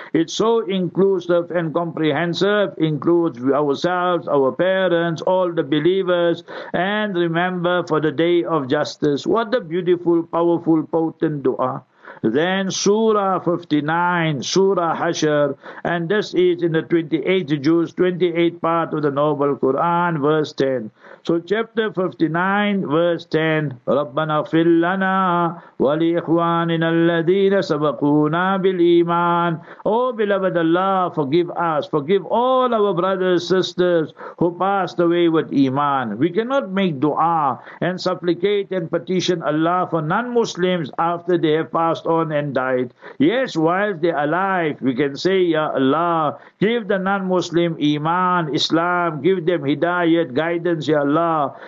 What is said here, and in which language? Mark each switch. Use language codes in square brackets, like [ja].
[en] It's so inclusive and comprehensive, includes ourselves, our parents, all the believers, and remember for the day of justice. What a beautiful, powerful, potent dua. Then Surah 59, Surah Hashr, and this is in the 28th Juz, 28th part of the Noble Quran, verse 10. So chapter 59, verse 10, [ar] رَبَّنَا اغْفِرْ لَنَا وَلِإِخْوَانِنَا الَّذِينَ سَبَقُونَا بِالْإِيمَانِ. [en] O beloved Allah, forgive us, forgive all our brothers, sisters who passed away with Iman. We cannot make dua and supplicate and petition Allah for non-Muslims after they have passed on and died. Yes, while they are alive, we can say, Ya Allah, give the non-Muslim Iman, Islam, give them hidayat, guidance, Ya Allah.